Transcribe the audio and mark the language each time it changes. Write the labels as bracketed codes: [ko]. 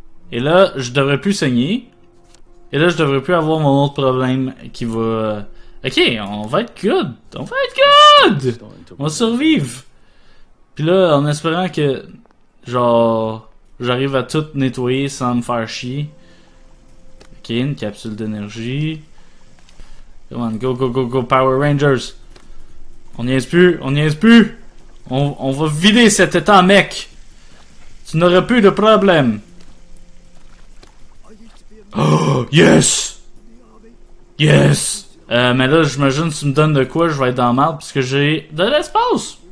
[fr] Et là, je devrais plus saigner. Et là, je devrais plus avoir mon autre problème qui va. Ok, on va être good! On va être good! On va survivre! Puis là, en espérant que, genre, j'arrive à tout nettoyer sans me faire chier. Ok, une capsule d'énergie. [en] Come on, go, go, go, go, Power Rangers! [fr] On niaise plus! On niaise plus! On va vider cet étang, mec! Tu n'auras plus de problème! [en] Oh, yes! Yes! [fr] Mais là, j'imagine que tu me donnes de quoi, je vais être dans la merde, puisque j'ai de l'espace!